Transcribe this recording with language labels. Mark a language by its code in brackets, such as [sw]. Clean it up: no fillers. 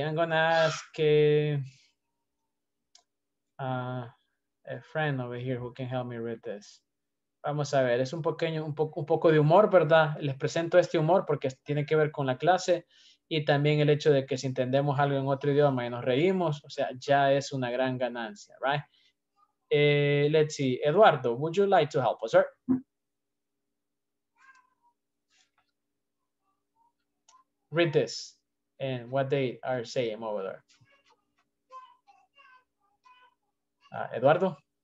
[en] I'm going to ask a friend over here who can help me read this. [es] Vamos a ver, es un poco de humor, ¿verdad? Les presento este humor porque tiene que ver con la clase y también el hecho de que si entendemos algo en otro idioma y nos reímos, o sea, ya es una gran ganancia, right? [en] Let's see, Eduardo, would you like to help us, sir? Read this and what they are saying over there. Eduardo?